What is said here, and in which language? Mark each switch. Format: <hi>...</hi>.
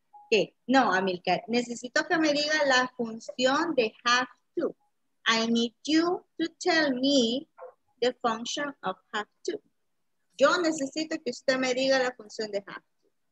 <es>Okay, no, Amilcar, necesito que me diga la función de have to.</es> <en>I need you to tell me the function of have to.</en> <es>Yo necesito que usted me diga la función de have to.</es>